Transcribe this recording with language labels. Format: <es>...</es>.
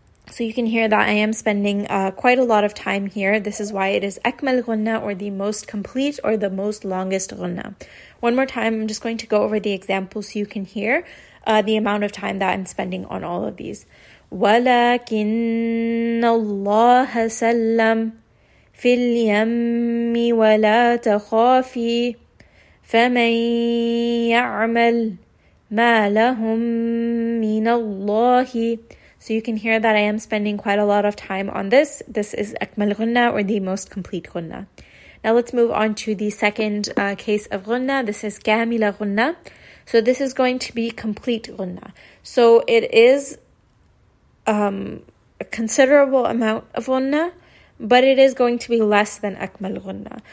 <en>So you can hear that I am spending quite a lot of time here. This is why it is أكمل غنة, or the most complete or the most longest غنة. One more time, I'm just going to go over the example so you can hear the amount of time that I'm spending on all of these.</en> <ar>ولكن الله سلم في اليم ولا تخافي فمن يعمل ما لهم من الله.</ar> <en>So you can hear that I am spending quite a lot of time on this. This is أكمل غنة, or the most complete غنة. Now let's move on to the second case of غنة. This is كاملة غنة. So this is going to be complete غنة. So it is a considerable amount of غنة, but it is going to be less than أكمل غنة.</en>